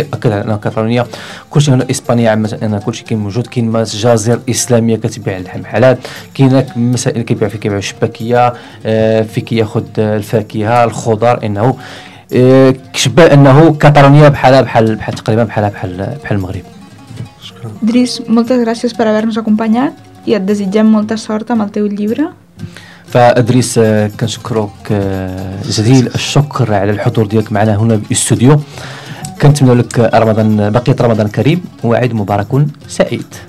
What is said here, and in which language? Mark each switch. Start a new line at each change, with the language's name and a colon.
Arabic: اكد على انه كاتالونيا كل شيء، هنا اسبانيا عامه ان كل شيء كاين موجود، كاين متاجر اسلاميه كتبيع اللحم حلال، كاين مسائل كيبيع في كيبيع الشباكيه في كياخذ الفاكهه الخضر، انه كشبه انه كاتالونيا بحال تقريبا بحال المغرب.
Catalan: ادريس moltes gràcies per habernos acompanyat i et desitgem molta sort amb el teu llibre.
Arabic: فأدريس كنشكرك جزيل الشكر على الحضور ديالك معنا هنا بالاستوديو. كنتمنى لك رمضان، بقية رمضان كريم وعيد مبارك سعيد.